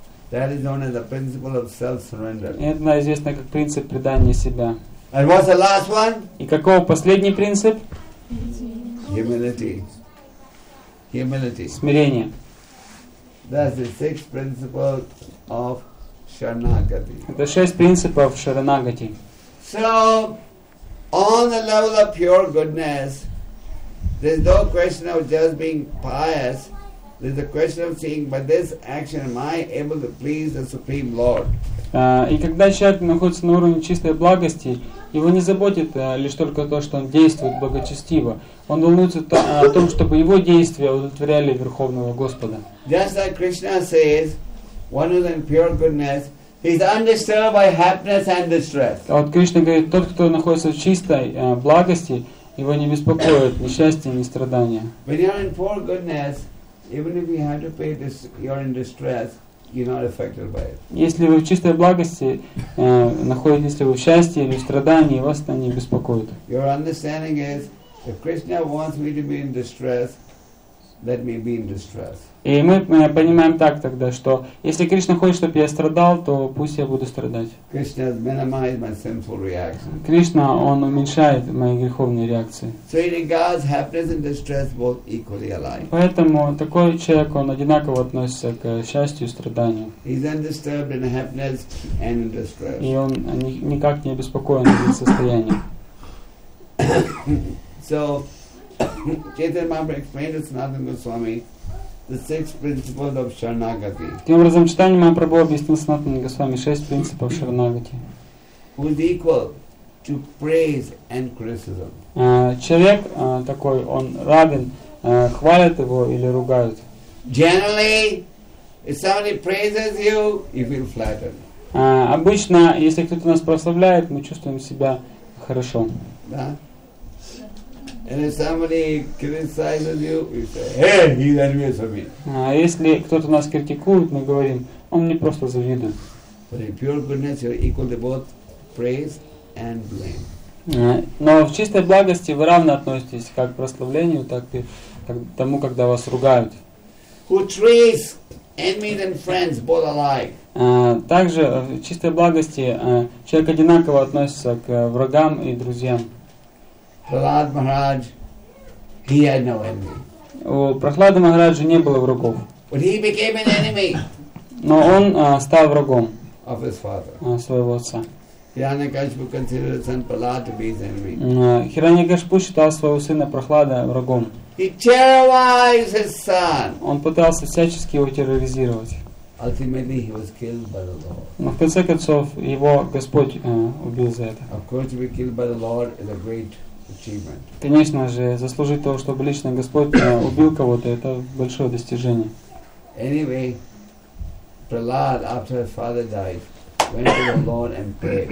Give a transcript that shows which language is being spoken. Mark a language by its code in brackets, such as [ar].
[en] That is known as the principle of self-surrender. [ru] Это известно как принцип предания себя. [en] And what's the last one? [ru] И каков последний принцип? [en] Humility. Humility. [ru] Смирение. [en] That's the 6th principle of Sharanagati. [ru] Это 6 принципов Шаранагати. [en] So, on the level of pure goodness, there's no question of just being pious. There's a question of seeing, by this action, am I able to please the Supreme Lord? [ru] И когда человек находится на уровне чистой благости, его не заботит лишь только то, что он действует благочестиво. Он волнуется о том, чтобы его действия удовлетворяли Верховного Господа. [en] Just like Krishna says, one who is in pure goodness, he is undisturbed by happiness and distress. [ru] Вот Кришна говорит, тот, кто находится в чистой благости, его не беспокоит ни счастье, ни страдания. [en] When you are in pure goodness, even if you have to pay this, you are in distress. You're not affected by it. [ru] Если вы в чистой благости находитесь, вы в счастье или в страдании, вас это не беспокоит. [en] Your understanding is, if Krishna wants me to be in distress, let me be in distress. [ru] И мы понимаем так тогда, что если Кришна хочет, чтобы я страдал, то пусть я буду страдать. [en] Krishna minimizes my sinful reactions. [ru] Кришна, он уменьшает мои греховные реакции. [en] So he regards happiness and distress both equally alike. [ru] Поэтому такой человек, он одинаково относится к счастью и страданию. [en] He's undisturbed in happiness and in distress. [ru] И он никак не обеспокоен этим состоянием. [en] So Chaitanya Mahaprabhu explained it to Sanatana Goswami. The six principles of Sharanagati. [ru] Тем образом, читание Махапрабху объяснил Санатана Госвами шесть принципов Шаранагати. [en] Would equal to praise and criticism. [ru] Человек такой, он равен, хвалят его или ругают. [en] Generally, if somebody praises you, you feel flattered. [ru] Обычно, если кто-то нас прославляет, мы чувствуем себя хорошо. Да. [en] And if somebody criticizes you, you say, "Hey, he's envious of me." [ru] Если кто-то нас критикует, мы говорим, он мне просто завидует. [en] But in pure goodness, you're equal to both praise and blame. [ru] Но в чистой благости вы равно относитесь как к прославлению, так и к тому, когда вас ругают. [en] Who treats enemies and friends both alike? [ru] Также в чистой благости человек одинаково относится к врагам и друзьям. [en] Prahlad Maharaj, he had no enemy. [ru] У Прохлады Махараджа не было врагов. [en] But he became an enemy. [ru] Но он стал врагом. [en] Of his father. [ru] Своего отца. [en] Hiranyakashipu considered son Prahlad to be his enemy. [ru] Hiranyakashipu считал своего сына Прохлада врагом. [en] He terrorized his son. [ru] Он пытался всячески его терроризировать. [en] Ultimately, he was killed by the Lord. [ru] Но в конце концов его Господь убил за это. [en] Of course, to be killed by the Lord is a great achievement. [ru] Конечно же, заслужить то, чтобы лично Господь убил кого-то, это большое достижение. [en] Anyway, Prahlad, after his father died, went to the Lord and prayed.